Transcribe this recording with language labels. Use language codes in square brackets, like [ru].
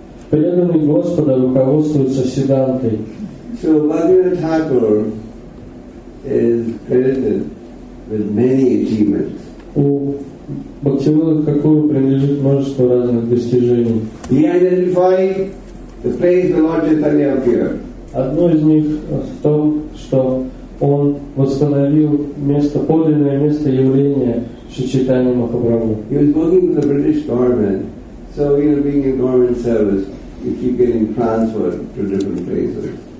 [ru] Преданный Господа руководствуется Сиддхантой. [en] So Bhagavad Thakur is credited with many achievements. [ru] Бхактивинод Такур принадлежит множеству разных достижений. [en] He identified the place the Lord Chaitanya appeared. [ru] Одно из них в том, что он восстановил место, подлинное место явления Шри Чайтаньи Махапрабху. [en] He was working with the British government, so he was being in government service, he keep getting transferred to different places.